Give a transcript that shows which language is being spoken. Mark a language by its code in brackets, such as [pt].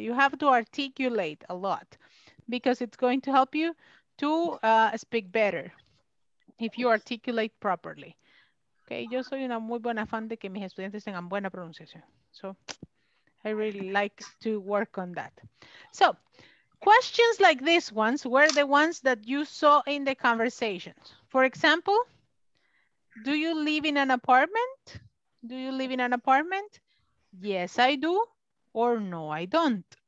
[en] You have to articulate a lot because it's going to help you to speak better if you articulate properly. Okay. [es] Yo soy una muy buena fan de que mis estudiantes tengan buena pronunciación. [en] So I really like to work on that. So, questions like these ones were the ones that you saw in the conversations. For example, do you live in an apartment? Do you live in an apartment? Yes, I do. Or no, I don't.